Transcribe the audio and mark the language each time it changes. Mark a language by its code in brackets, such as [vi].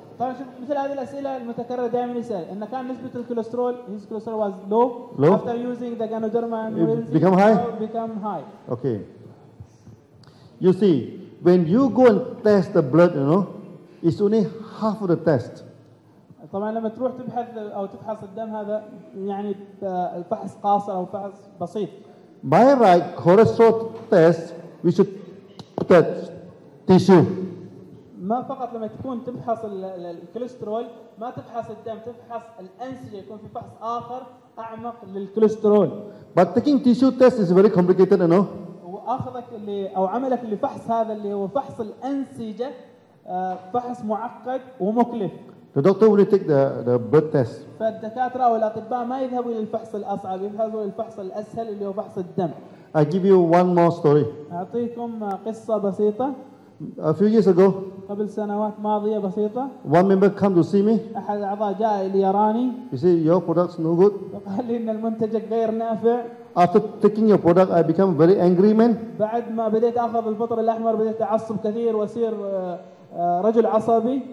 [ar] طبعا شوف مثل هذه الأسئلة المتكررة دائما يسأل. إن كان نسبة الكوليسترول, [en] his cholesterol was low. Low. After using the ganoderma and urinalysis, become high. Become high. Okay. You see, when you go and test the blood, you know, it's only half of the test. [ar] طبعا لما تروح تبحث أو تفحص الدم هذا يعني الفحص قاصر أو فحص بسيط. [en] By right, cholesterol test, we should test tissue. [ar] ما فقط لما تكون تفحص الكوليسترول, ما تفحص الدم, تفحص الأنسجة, يكون في فحص آخر أعمق للكوليسترول. [en] But taking tissue test is very complicated, you know. [ar] وأخذك اللي أو عملك اللي فحص هذا اللي هو فحص الأنسجة فحص معقد ومكلف. [en] The doctor will take the blood test. [ar] فالدكاترة أو الأطباء ما يذهبوا للفحص الأصعب, يذهبوا للفحص الأسهل اللي هو فحص الدم. [en] I give you one more story. [ar] أعطيكم قصة بسيطة. [en] A few years ago. [ar] قبل سنوات ماضية بسيطة. [en] One member came to see me. [ar] أحد الأعضاء جاء ليراني. [en] He said your product's no good. [ar] قال لي إن المنتج غير نافع. [en] After taking your product, I became a very angry man. [ar] بعد ما بديت أخذ الفطر الأحمر بديت أعصب كثير وأصير رجل عصبي.